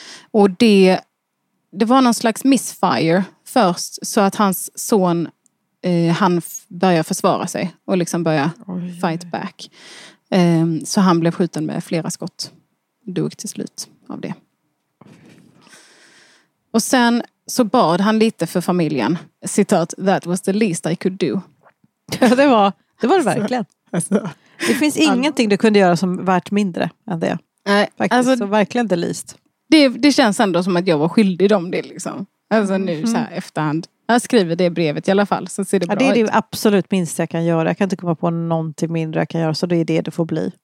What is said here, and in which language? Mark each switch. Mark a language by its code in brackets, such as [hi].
[sv] Och det var någon slags misfire först, så att hans son han började försvara sig och liksom började [en] fight back. [sv] Så han blev skjuten med flera skott. Dog till slut av det. Och sen så bad han lite för familjen. [en] Citat, that was the least I could do. [sv] Ja, det var det verkligen. Det finns ingenting du kunde göra som värt mindre än det. Nej, faktiskt. Alltså, så verkligen [en] the least. [sv] Det känns ändå som att jag var skyldig om det liksom. Alltså nu så här efterhand. Jag skriver det brevet i alla fall, så ser det bra ut. Ja, det är det absolut minsta jag kan göra. Jag kan inte komma på någonting mindre jag kan göra, så det är det du får bli.